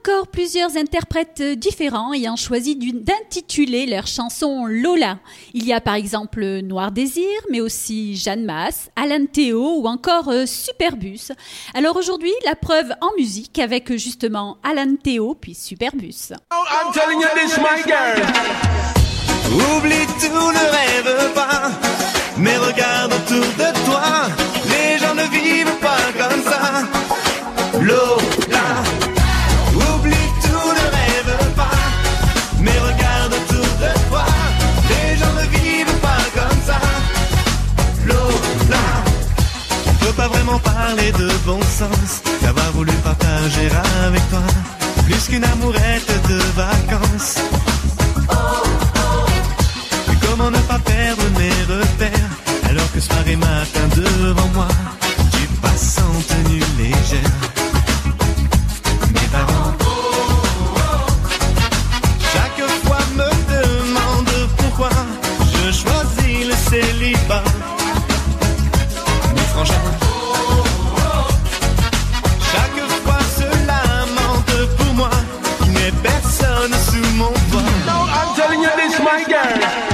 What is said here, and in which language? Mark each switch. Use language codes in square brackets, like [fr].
[fr] plusieurs interprètes différents ayant choisi d'intituler leur chanson Lola. Il y a par exemple Noir Désir, mais aussi Jeanne Masse, Alain Théo ou encore Superbus. Alors aujourd'hui, la preuve en musique avec justement Alain Théo puis Superbus. [en] Oh, I'm telling you this, my girl. [fr] Oublie tout, ne rêve pas, mais regarde autour de toi, les gens ne vivent pas comme ça. Lola, oublie tout, ne rêve pas, mais regarde autour de toi, les gens ne vivent pas comme ça. Lola, on peut pas vraiment parler de bon sens, d'avoir voulu partager avec toi plus qu'une amourette de vacances. Comment ne pas perdre mes repères alors que soir et matin devant moi tu passes en tenue légère. Mes parents, chaque fois me demandent pourquoi je choisis le célibat. Mes frangins, chaque fois se lamentent pour moi qu'il n'y ait personne sous mon toit. [en] I'm telling you this, my girl.